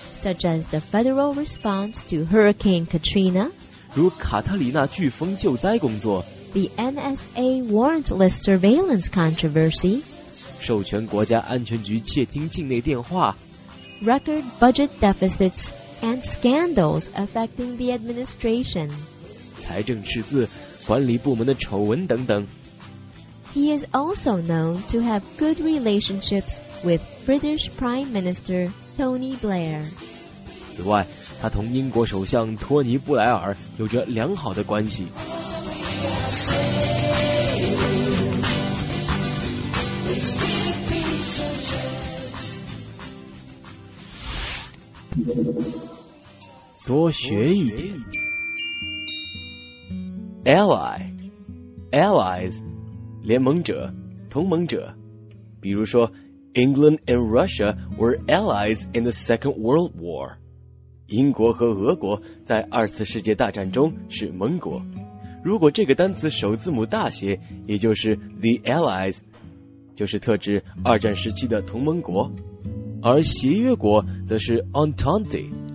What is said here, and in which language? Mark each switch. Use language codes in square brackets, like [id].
[en] such as the federal response to Hurricane Katrina [zh] 如卡特里娜飓风救灾工作 [en] the NSA warrantless surveillance controversy [zh] 授权国家安全局窃听境内电话 [en] record budget deficits and scandals affecting the administration [zh] 财政赤字管理部门的丑闻等等 [en] He is also known to have good relationshipswith British Prime Minister Tony Blair. [zh] 此外，他同英国首相托尼·布莱尔有着良好的关系。多学一点。 [en] Ally, allies, [zh] 联盟者，同盟者，比如说 [en] England and Russia were allies in the Second World War. [zh] 英国和俄国在二次世界大战中是盟国。如果这个单词首字母大写，也就是 the allies, 就是特指二战时期的同盟国。而协约国则是 Entente。